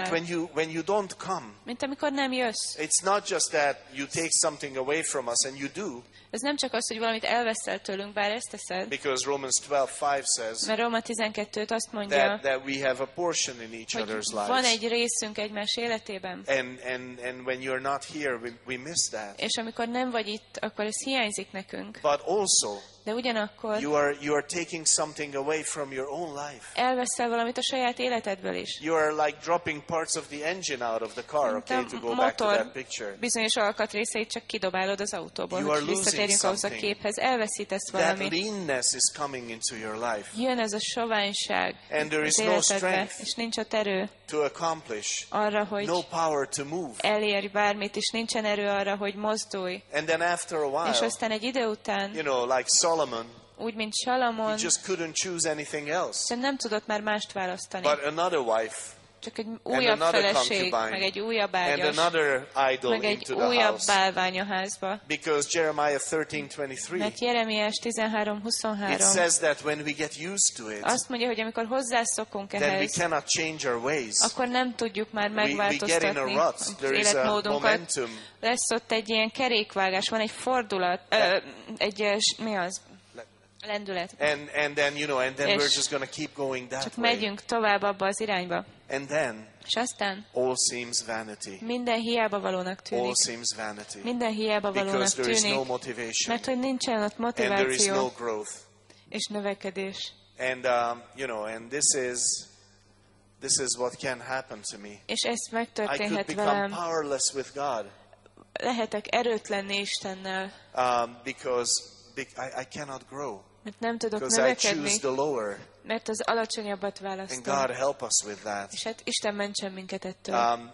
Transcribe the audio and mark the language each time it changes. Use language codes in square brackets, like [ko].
[en] Like when you don't come. [hu] Mint amikor nem jössz. [en] It's not just that you take something away from us and you do. [hu] Ez nem csak az, hogy valamit elveszel tőlünk, bár ezt teszed. [en] Because Romans 12:5 says. [hu] Mert Róma 12:5 azt mondja. [en] That we have a portion in each other's lives. [hu] Van egy részünk egymás életében. [en] And when you're not here, we miss that. [hu] És amikor nem vagy itt, akkor ez hiányzik nekünk. [en] But also. [hu] De ugyanakkor [en] you are taking something away from your own life. [hu] Elveszel valamit a saját életedből is. [en] You are like dropping parts of the engine out of the car, okay, to go back to that picture. [hu] Bizonyos alkatrészeit csak kidobálod az autóból. [en] You are losing [hu] visszatérünk [en] something. [hu] Ahhoz a képhez. Elveszítesz valamit. [en] That leanness is coming into your life. [hu] Jön ez a soványság. [en] And there is no strength. [hu] És nincs ott erő. [en] To accomplish. [hu] Arra, hogy [en] no power to move. [hu] Elérj bármit, és nincsen erő arra, hogy mozdulj. [en] And then after a while. [hu] És aztán egy idő után. [en] You know, like Solomon. [hu] Úgy mint Salamon. [en] He just couldn't choose anything else. [hu] Csak nem tudott már mást választani. [en] But another wife. [hu] Csak egy újabb feleség, meg egy újabb ágyas. [en] And another idol [hu] meg egy [en] into [hu] újabb [en] the house. [hu] Bálvány a házba. [en] Because Jeremiah 13:23. [hu] Mert Jeremiás 13:23. [en] It says that when we get used to it. [hu] Azt mondja, hogy amikor hozzászokunk ehhez. [en] Then we cannot change our ways. [hu] Akkor nem tudjuk már megváltoztatni. [en] We get in a rut. There is a momentum. [hu] Lesz ott egy ilyen kerékvágás, van egy fordulat, egy mi az? Lendület. [en] And then you know, and then we're just going to keep going that [hu] csak [en] way. [hu] Megyünk tovább abba az irányba. [en] And then. [hu] És aztán. [en] All seems vanity. [hu] Minden hiába valónak tűnik. [en] All seems vanity. [hu] Minden hiába valónak tűnik. [en] Because there is no motivation. [hu] Mert hogy nincsen ott motiváció. [en] And there is no growth. [hu] És növekedés. [en] And you know, and this is what can happen to me. [hu] És ez megtörténhet velem. [en] I could become powerless with God. [hu] Lehetek erőtlen Istennel. [en] Because I cannot grow. [hu] Mert nem tudok növekedni, mert az alacsonyabbat választom. [en] And God help us with that. [hu] És hát Isten mentsen minket ettől.